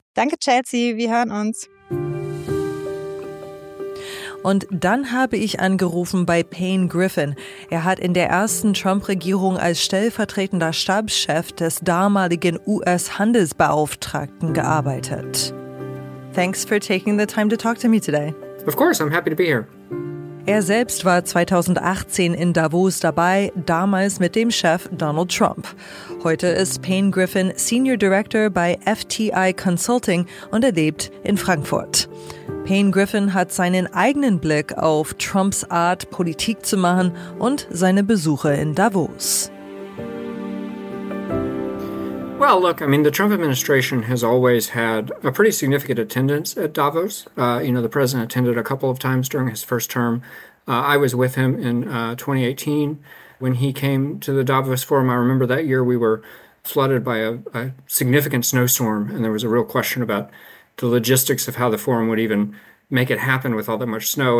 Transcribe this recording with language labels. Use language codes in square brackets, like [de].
[de] Danke, Chelsea. Wir hören uns. Und dann habe ich angerufen bei Payne Griffin. Er hat in der ersten Trump-Regierung als stellvertretender Stabschef des damaligen US-Handelsbeauftragten gearbeitet. [en] Thanks for taking the time to talk to me today. Of course, I'm happy to be here. [de] Er selbst war 2018 in Davos dabei, damals mit dem Chef Donald Trump. Heute ist Payne Griffin Senior Director bei FTI Consulting und er lebt in Frankfurt. Payne Griffin hat seinen eigenen Blick auf Trumps Art, Politik zu machen und seine Besuche in Davos. [en] Well, look, I mean, the Trump administration has always had a pretty significant attendance at Davos. The president attended a couple of times during his first term. I was with him in 2018 when he came to the Davos forum. I remember that year we were flooded by a significant snowstorm, and there was a real question about the logistics of how the forum would even make it happen with all that much snow.